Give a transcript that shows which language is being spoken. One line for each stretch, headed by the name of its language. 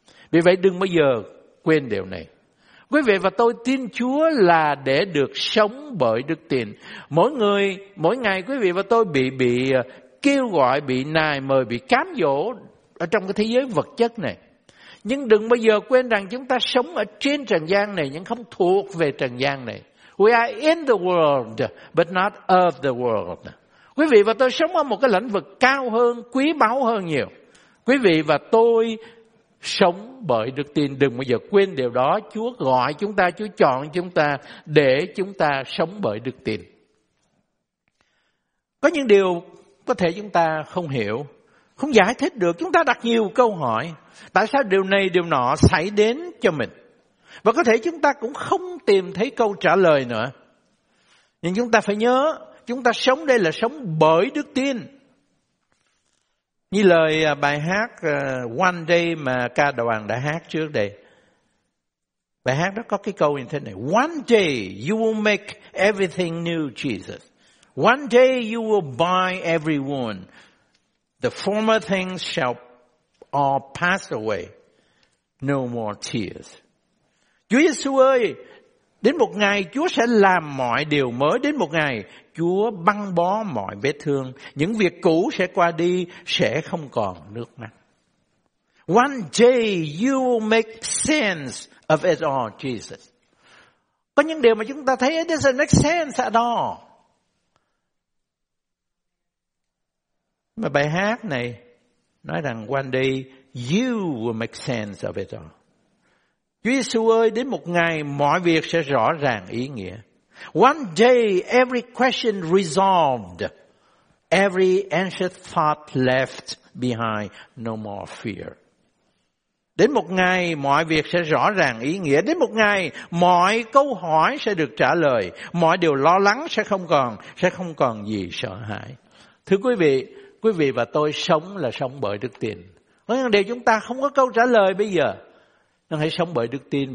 Vietnamese: Vì vậy đừng bao giờ quên điều này. Quý vị và tôi tin Chúa là để được sống bởi đức tin. Mỗi người, mỗi ngày quý vị và tôi bị kêu gọi, bị nài mời, bị cám dỗ ở trong cái thế giới vật chất này. Nhưng đừng bao giờ quên rằng chúng ta sống ở trên trần gian này nhưng không thuộc về trần gian này.
English: We are in the world, but not of the world.
Vietnamese: Quý vị và tôi sống ở một cái lĩnh vực cao hơn, quý báu hơn nhiều. Quý vị và tôi sống bởi đức tin. Đừng bao giờ quên điều đó. Chúa gọi chúng ta, Chúa chọn chúng ta để chúng ta sống bởi đức tin. Có những điều có thể chúng ta không hiểu, không giải thích được. Chúng ta đặt nhiều câu hỏi. Tại sao điều này, điều nọ xảy đến cho mình? Và có thể chúng ta cũng không tìm thấy câu trả lời nữa. Nhưng chúng ta phải nhớ, chúng ta sống đây là sống bởi đức tin. Như lời bài hát One Day mà ca đoàn đã hát trước đây. Bài hát đó có cái câu như thế này.
English: One day you will make everything new, Jesus. One day you will buy everyone. The former things shall all pass away. No more tears.
Vietnamese: Chúa Giêsu ơi, đến một ngày Chúa sẽ làm mọi điều mới, đến một ngày Chúa băng bó mọi vết thương, những việc cũ sẽ qua đi, sẽ không còn nước mắt.
English: One day you will make sense of it all, Jesus.
Vietnamese: Có những điều mà chúng ta thấy
English: it doesn't make sense at all.
Vietnamese: Mà bài hát này nói rằng
English: one day you will make sense of it all.
Vietnamese: Chúa Giêsu ơi, đến một ngày mọi việc sẽ rõ ràng ý nghĩa.
English: One day every question resolved, every anxious thought left behind, no more fear.
Vietnamese: Đến một ngày mọi việc sẽ rõ ràng ý nghĩa, đến một ngày mọi câu hỏi sẽ được trả lời, mọi điều lo lắng sẽ không còn gì sợ hãi. Thưa quý vị và tôi sống là sống bởi đức tin. Có những điều chúng ta không có câu trả lời bây giờ. Nhưng hãy sống bởi đức tin.